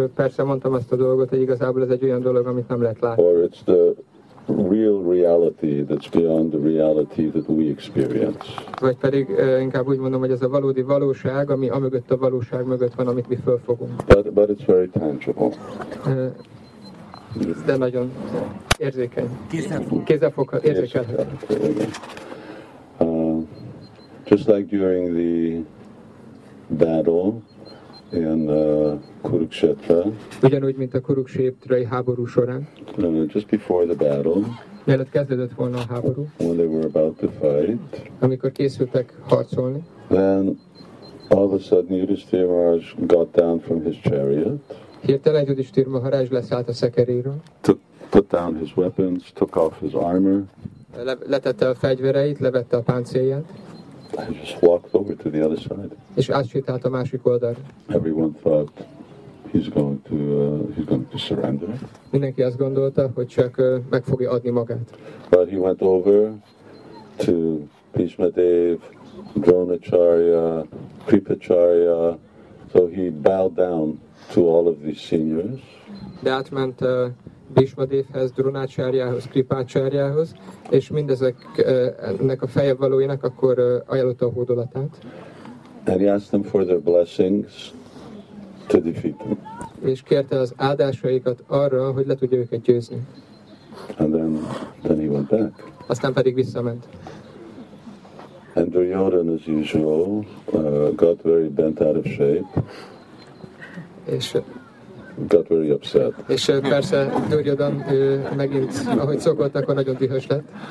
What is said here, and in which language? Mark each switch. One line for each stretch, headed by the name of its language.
Hungarian: Persze mondtam azt a dolgot, hogy igazából ez egy olyan dolog, amit nem lehet látni.
English: Or it's the real reality that's beyond the reality that we experience.
Hungarian: Vagy pedig inkább úgy mondom, hogy ez a valódi valóság, ami amögött a valóság mögött van, amit mi fölfogunk.
English: But it's very tangible.
Hungarian: De nagyon érzékeny. Kézzelfogható, érzékelhető.
English: Just like during the battle in Kurukshetra.
Hungarian: Ugyanúgy, mint a Kurukshetrai háború során.
English: Just before the battle.
Hungarian: Mielőtt kezdődött volna a háború.
English: When they were about to fight.
Hungarian: Amikor készültek harcolni.
English: Then all of a sudden Yudhisthira Maharaj got down from his chariot.
Hungarian: Hirtelen Yudhisthira Maharaj leszállt a szekeréről.
English: Put down his weapons, took off his armor.
Hungarian: Letette a fegyvereit, levette a páncélját.
English: I just walked over to the other side.
Hungarian: És átsétált a másik oldalra.
English: Everyone thought he's going to surrender.
Hungarian: Mindenki azt gondolta, hogy csak meg fogja adni magát.
English: But he went over to Bhishma Dev, Dronacharya, Kripacharya. So he bowed down to all of these seniors.
Hungarian: De átment Bhishma Devhez, Dronacharyához, Kripacharyához, és mindezeknek a feje valóinak akkor ajánlotta a hódolatát.
English: And he asked them for their blessings to defeat them.
Hungarian: És kérte az áldásaikat arra, hogy le tudja őket győzni.
English: And then he went back.
Hungarian: Aztán pedig visszament.
English: And Duryodhana, as usual, got very bent out of shape.
Hungarian: És
English: got very upset.
Hungarian: És persze Duryodhan megint, ahogy szokott, akkor nagyon dühös lett.